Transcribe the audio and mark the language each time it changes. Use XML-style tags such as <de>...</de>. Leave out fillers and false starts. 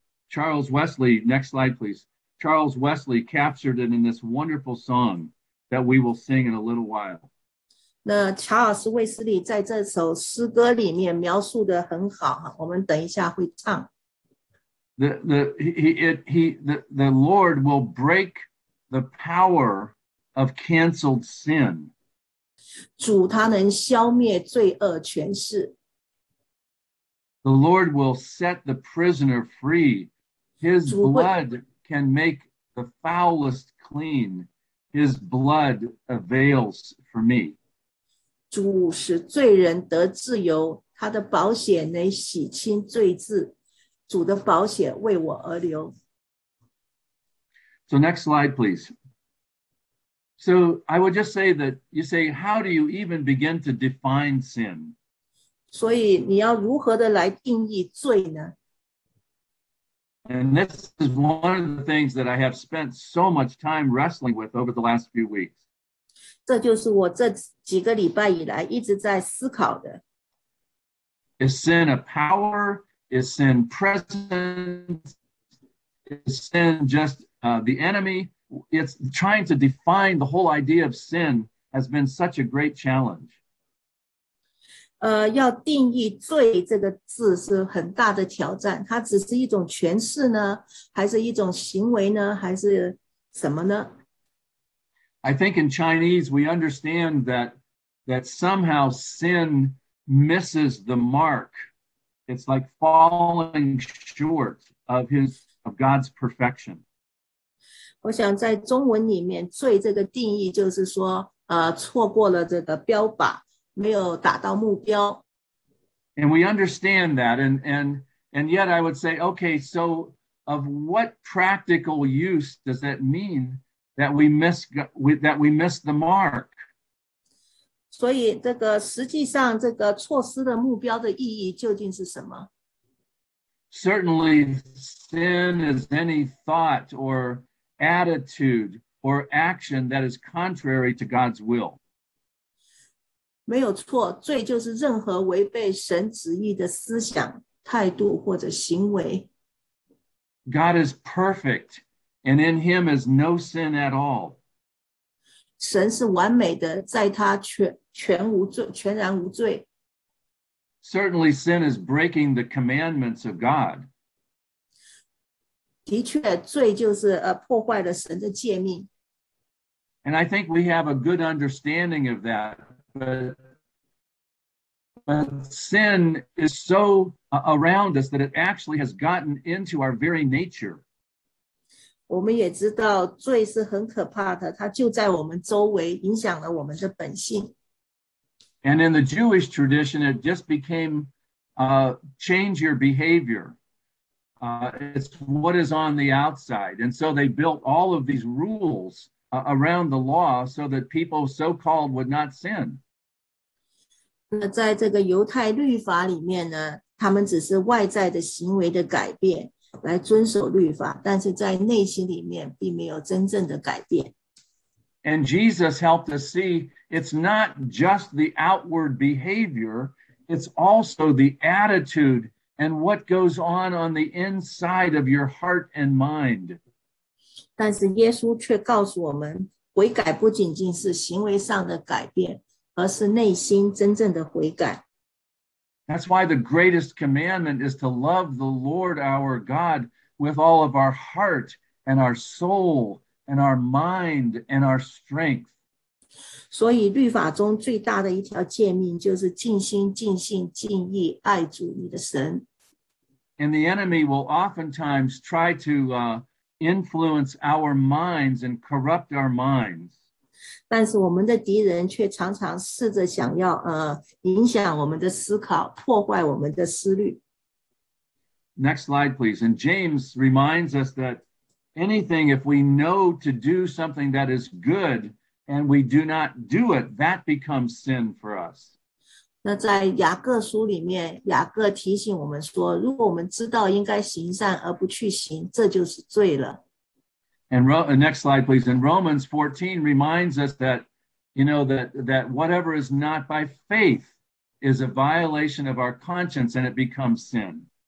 <en>Charles Wesley, next slide please. Charles Wesley captured it in this wonderful song that we will sing in a little while.</en> <zh>那查尔斯·威斯利在这首诗歌里面描述的很好，我们等一下会唱。</zh> <en>The Lord will break the power of canceled sin.</en> <zh>主他能消灭罪恶权势。</zh> <en>The Lord will set the prisoner free. His blood can make the foulest clean. His blood avails for me.</en> <zh>主使罪人得自由，他的宝血能洗清罪渍。主的宝血为我而流。</zh> <en>So next slide, please. So I would just say that you say, how do you even begin to define sin?</en> <zh>所以你要如何的来定义罪呢？</zh> <en>And this is one of the things that I have spent so much time wrestling with over the last few weeks.</en> <zh>这就是我这几个礼拜以来一直在思考的。</zh> <en>Is sin a power? Is sin present? Is sin just the enemy? It's trying to define the whole idea of sin has been such a great challenge.</en> <zh>要定义罪这个字是很大的挑战。它只是一种诠释呢，还是一种行为呢，还是什么呢？</zh> <en>I think in Chinese we understand that somehow sin misses the mark. It's like falling short of God's perfection.</en> <zh>我想在中文里面，罪这个定义就是说，错过了这个标靶，没有达到目标。</zh> <en>And we understand that, and yet I would say, okay, so of what practical use does that mean that we miss the mark?</en> <zh>所以这个实际上这个措施的目标的意义究竟是什么？</zh> <en>Certainly, sin is any thought or attitude or action that is contrary to God's will.</en> <zh>没有错，罪就是任何违背神旨意的思想、态度或者行为。</zh> <en>God is perfect, and in him is no sin at all.</en> <zh>神是完美的，在他 全然无罪。</zh> <en>Certainly sin is breaking the commandments of God.</en> <zh>的确罪就是破坏了神的诫命。</zh> <en>And I think we have a good understanding of that, but sin is so around us that it actually has gotten into our very nature.</en> <zh>我们也知道罪是很可怕的，它就在我们周围，影响了我们的本性。</zh> <en>And in the Jewish tradition, it just became change your behavior. It's what is on the outside. And so they built all of these rules around the law so that people so-called would not sin.</en> <zh>那在这个犹太律法里面呢，他们只是外在的行为的改变。来遵守律法，但是在内心里面并没有真正的改变。</zh> <en>And Jesus helped us see it's not just the outward behavior, it's also the attitude and what goes on the inside of your heart and mind.</en> <zh>但是耶稣却告诉我们，悔改不仅仅是行为上的改变，而是内心真正的悔改。</zh> <en>That's why the greatest commandment is to love the Lord our God with all of our heart and our soul and our mind and our strength.</en> <zh>所以律法中最大的一条诫命就是尽心、尽性、尽意爱主你的神。</zh> <en>And the enemy will oftentimes try to influence our minds and corrupt our minds.</en> <zh>但是我们的敌人却常常试着想要影响我们的思考，破坏我们的思虑。</zh> <en>Next slide, please. And James reminds us that anything, if we know to do something that is good and we do not do it, that becomes sin for us.</en> <zh>那在雅各书里面，雅各提醒我们说，如果我们知道应该行善而不去行，这就是罪了。</zh> <en>And next slide, please. And Romans 14 reminds us that, you know, that whatever is not by faith is a violation of our conscience and it becomes sin.</en>